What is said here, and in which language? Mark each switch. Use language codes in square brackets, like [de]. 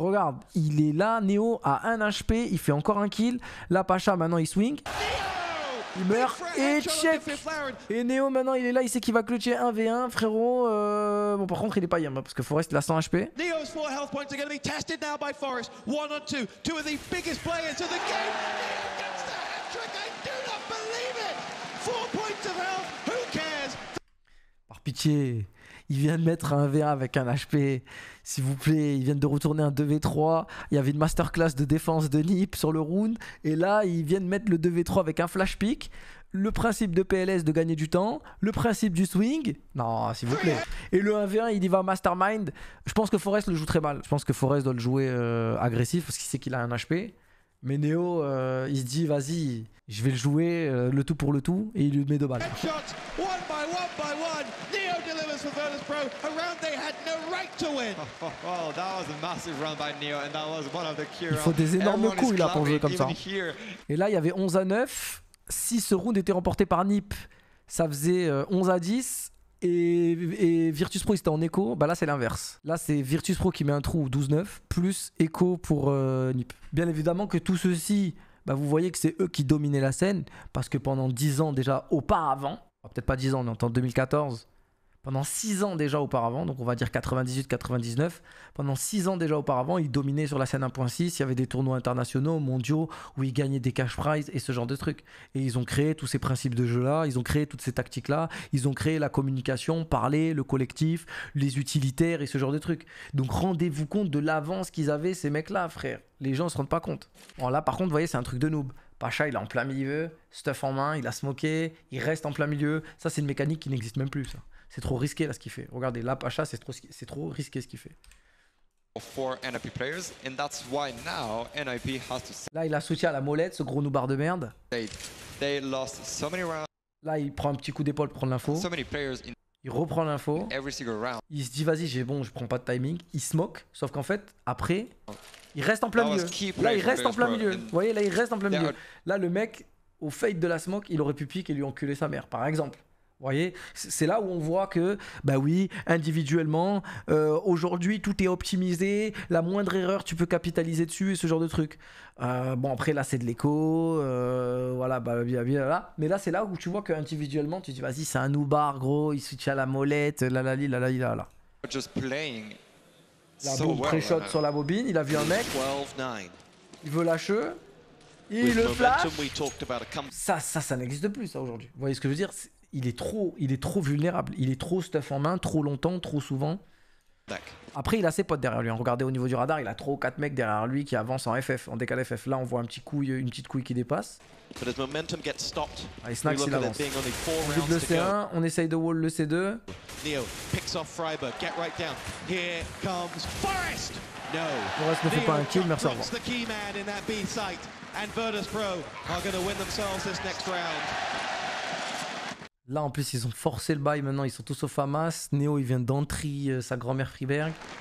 [fr] Regarde, il est là, Neo a 1 HP, il fait encore un kill. Là, Pasha, maintenant, il swing. Il meurt et check. Et Neo, maintenant, il est là, il sait qu'il va clutcher 1v1, frérot. Bon, par contre, il est pas Yam, parce que Forrest, il a 100 HP. [en] Neo's 4 health points are going to be tested now by Forrest. 1-on-2, two of the biggest players of the game. Neo gets the hat-trick, I do not believe it. 4 points of health, who cares? [fr] Par pitié. Il vient de mettre un 1v1 avec un HP, s'il vous plaît, il vient de retourner un 2v3, il y avait une masterclass de défense de Nip sur le round, et là il vient de mettre le 2v3 avec un flash pick, le principe de PLS de gagner du temps, le principe du swing, non s'il vous plaît, et le 1v1 il y va mastermind. Je pense que Forrest le joue très mal, je pense que Forrest doit le jouer agressif parce qu'il sait qu'il a un HP. Mais Neo, il se dit, vas-y, je vais le jouer le tout pour le tout, et il lui met 2 balles. [en] Headshots, one by one by one. Neo delivers for Virtus Pro, a round they had no right to win. Oh, oh, oh, that was a massive round by Neo, and that was one of the key rounds. [fr] Il faut des énormes coups, il a pour jouer comme ça. [en] Here. [fr] Et là, il y avait 11-9. Si ce round était remporté par Nip, ça faisait 11-10. Et Virtus Pro, il était en écho. Bah là, c'est l'inverse. Là, c'est Virtus Pro qui met un trou 12-9, plus écho pour Nip. Bien évidemment que tout ceci, bah, vous voyez que c'est eux qui dominaient la scène. Parce que pendant 10 ans déjà auparavant, peut-être pas 10 ans, on est en 2014, pendant 6 ans déjà auparavant, donc on va dire 98-99, pendant 6 ans déjà auparavant, ils dominaient sur la scène 1.6. Il y avait des tournois internationaux, mondiaux, où ils gagnaient des cash prizes et ce genre de trucs. Et ils ont créé tous ces principes de jeu-là, ils ont créé toutes ces tactiques-là, ils ont créé la communication, parler, le collectif, les utilitaires et ce genre de trucs. Donc rendez-vous compte de l'avance qu'ils avaient, ces mecs-là, frère. Les gens ne se rendent pas compte. Bon, là, par contre, vous voyez, c'est un truc de noob. Pacha, il est en plein milieu, stuff en main, il a smoké, il reste en plein milieu. Ça, c'est une mécanique qui n'existe même plus, ça. C'est trop risqué là ce qu'il fait. Regardez, là Pacha, c'est trop risqué ce qu'il fait. [en] For NIP players, and that's why now NIP has to... [fr] Là, il a souci à la molette, ce gros noobard de merde. [en] They lost so many rounds. [fr] Là, il prend un petit coup d'épaule pour prendre l'info. [en] So many players in... [fr] Il reprend l'info. [en] Every single round. [fr] Il se dit, vas-y, j'ai bon, je prends pas de timing. Il smoke, sauf qu'en fait, après, il reste en plein milieu. Là, il reste en plein milieu. Vous voyez, là, il reste en plein milieu. Là, le mec, au fade de la smoke, il aurait pu piquer et lui enculer sa mère, par exemple. Vous voyez, c'est là où on voit que, bah oui, individuellement, aujourd'hui, tout est optimisé, la moindre erreur, tu peux capitaliser dessus et ce genre de truc. Bon, après, là, c'est de l'écho, voilà, bah, bien, bien, là. Mais là, c'est là où tu vois qu'individuellement, tu dis, vas-y, c'est un noobar, gros, il se tient à la molette, là. [en] Just playing. [fr] Là, boom, [en] so [fr] pré-shot [en] well, [fr] sur la bobine, il a vu un mec. 12-9. Il veut lâcher. Il [en] With [fr] le flash. Ça n'existe plus, ça, aujourd'hui. Vous voyez ce que je veux dire? Il est trop vulnérable. Il est trop stuff en main, trop longtemps, trop souvent. Après, il a ses potes derrière lui. Regardez au niveau du radar, il a 3 ou 4 mecs derrière lui qui avancent en FF, en décalé FF. Là, on voit une petite couille qui dépasse. [en] But as momentum gets stopped, [fr] allez, Snacks, il avance. On double le C1, on essaye de wall le C2. [en] Neo picks off Freiburg, get right down. Here comes Forrest. No. [fr] Forrest ne fait pas un kill, merci à vous. [en] The key man in that B site. And Virtus Pro are going to win themselves this next round. [fr] Là, en plus, ils ont forcé le bail. Maintenant, ils sont tous au FAMAS. Neo, il vient d'entry sa grand-mère Freiberg.